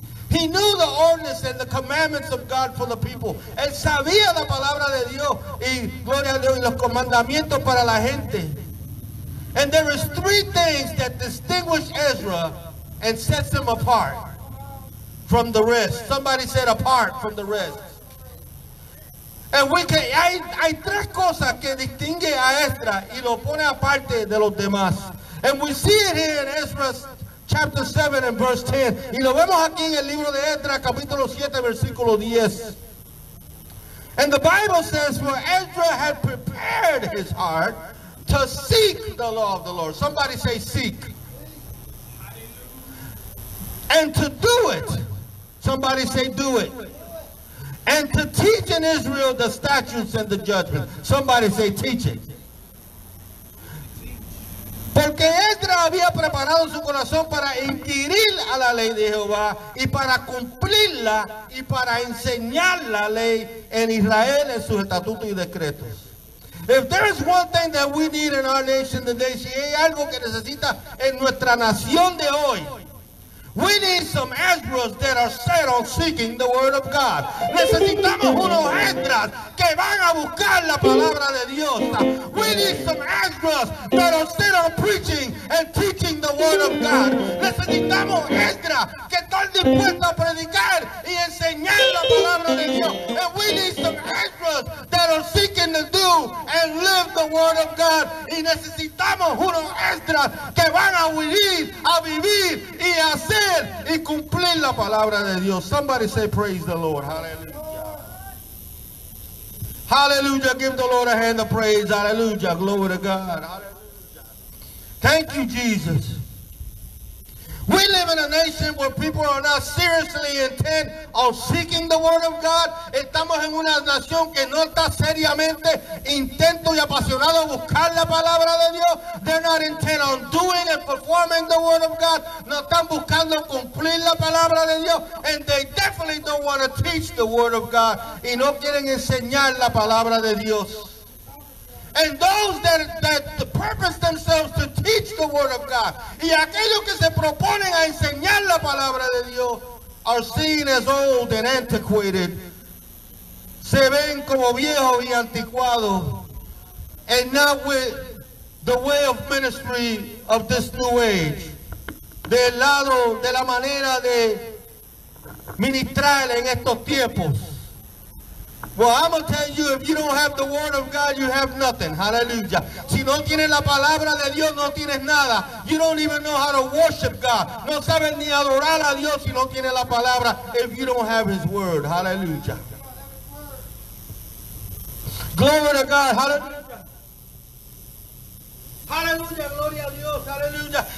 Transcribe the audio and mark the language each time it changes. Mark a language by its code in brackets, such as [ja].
[en] He knew the ordinance and the commandments of God for the people. [es] Él sabía la palabra de Dios y gloria a Dios y los comandamientos para la gente. [en] And there is three things that distinguish Ezra and sets him apart from the rest. Somebody said apart from the rest. And we can, [es] hay tres cosas que distingue a Ezra y lo pone aparte de los demás. [en] And we see it here in Ezra's chapter 7 and verse 10. [es] Y lo vemos aquí en el libro de Ezra, capítulo 7, versículo 10. [en] And the Bible says, for Ezra had prepared his heart to seek the law of the Lord. Somebody say seek. And to do it. Somebody say do it. And to teach in Israel the statutes and the judgment. Somebody say teach it. [es] Porque Ezra había preparado su corazón para inquirir a la ley de Jehová y para cumplirla y para enseñar la ley en Israel en sus estatutos y decretos. [en] If there is one thing that we need in our nation today, [es] si hay algo que necesita en nuestra nación de hoy, [en] We need some Ezra's that are set on seeking the word of God. [es] Necesitamos unos Ezra's que van a buscar la palabra de Dios. [en] We need some Ezra's that are set on preaching and teaching the word of God. [es] Necesitamos Ezra's que están dispuestos a predicar y enseñar la palabra de Dios. [en] And we need some Ezra's that are seeking to do and live the word of God. [es] Y necesitamos unos Ezra's que van a venir a vivir y hacer y cumplir la palabra de Dios. [en] Somebody say praise the Lord. Hallelujah. Hallelujah. Give the Lord a hand of praise. Hallelujah. Glory to God. Hallelujah. Thank you, Jesus. We live in a nation where people are not seriously intent on seeking the word of God. [es] Estamos en una nación que no está seriamente intento y apasionado a buscar la palabra de Dios. [en] They're not intent on doing and performing the word of God. [es] No están buscando cumplir la palabra de Dios. [en] And they definitely don't want to teach the word of God. [es] Y no quieren enseñar la palabra de Dios. [en] And those that purpose themselves to teach the word of God, [es] y aquellos que se proponen a enseñar la palabra de Dios, [en] are seen as old and antiquated. [es] Se ven como viejos y anticuados, [en] and not with the way of ministry of this new age. [es] Del lado de la manera de ministrar en estos tiempos. [en] Well, I'm going to tell you, if you don't have the word of God, you have nothing. Hallelujah. [es] Si no tienes la palabra de Dios, no tienes nada. [en] You don't even know how to worship God. [es] No sabes ni adorar a Dios si no tienes la palabra, [en] if you don't have his word. Hallelujah. Glory to God. Hallelujah. Hallelujah. [es] Gloria a Dios. [en] Hallelujah.